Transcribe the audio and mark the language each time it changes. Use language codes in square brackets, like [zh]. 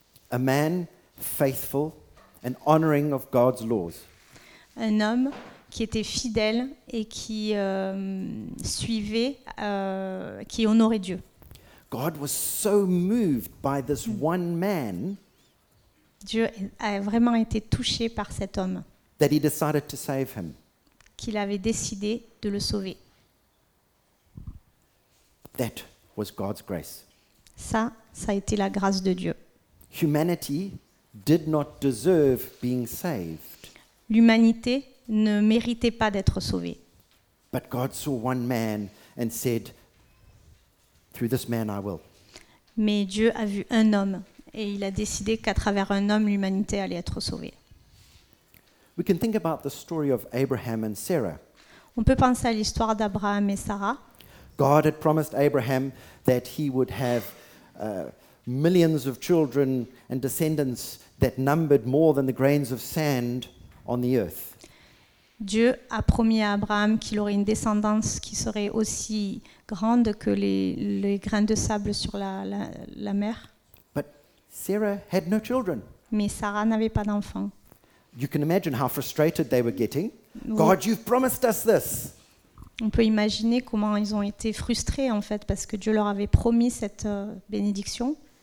[en] A man faithful and honoring of God's laws. [fr] Un homme qui était fidèle et qui suivait, qui honorait Dieu. [en] God was so moved by this one man. [fr] Dieu a vraiment été touché par cet homme. [en] That he decided to save him. [fr] Qu'il avait décidé de le sauver. [en] That was God's grace. [fr] Ça a été la grâce de Dieu. [en] Humanity did not deserve being saved. [fr] L'humanité ne méritait pas d'être sauvée. [en] But God saw one man and said, "Through this man, I will." [fr] Mais Dieu a vu un homme. Et il a décidé qu'à travers un homme, l'humanité allait être sauvée. [en] We can think about the story of Abraham and Sarah. [fr] On peut penser à l'histoire d'Abraham et Sarah. [en] God had promised Abraham that he would have millions of children and descendants that numbered more than the grains of sand on the earth. [fr] Dieu a promis à Abraham qu'il aurait une descendance qui serait aussi grande que les grains de sable sur la mer. [en] Sarah had no children. [fr] Mais Sarah n'avait pas d'enfants. [en] You can imagine how frustrated they were getting. Oui. God, you've promised us this. [fr] On peut imaginer comment ils ont été frustrés en fait parce que Dieu leur avait promis cette bénédiction.